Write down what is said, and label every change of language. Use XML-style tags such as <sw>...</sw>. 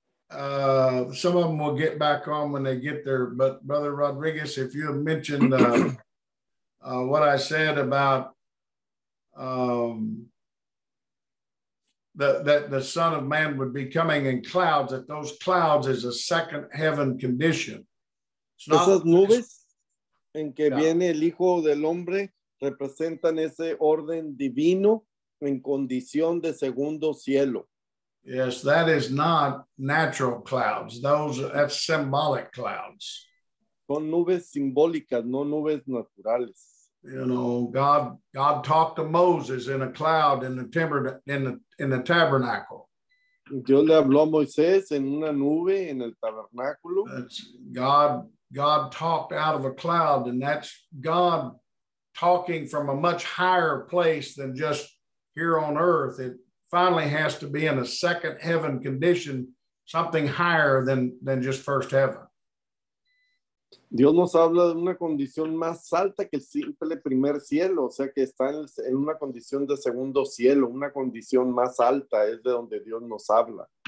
<en>Some of them will get back on when they get there. But Brother Rodriguez, if you have mentioned what I said about that the Son of Man would be coming in clouds, that those clouds is a second heaven condition.</en> <es>Esas nubes en que viene el Hijo del Hombre representan ese orden divino en condición de segundo cielo.</es> <en>Yes, that is not natural clouds. That's symbolic clouds.</en> <es>Son nubes simbólicas, no nubes naturales.</es> <en>You know, God talked to Moses in a cloud in the tabernacle.</en> <es>Dios le habló a Moisés en una nube en el tabernáculo.</es> <en>God talked out of a cloud, and that's God talking from a much higher place than just here on earth. It finally has to be in a second heaven condition, something higher than just first heaven.</en> <es>Dios nos habla de una condición más alta que el simple primer cielo, o sea que está en una condición de segundo cielo, una condición más alta es de donde Dios nos habla.</es>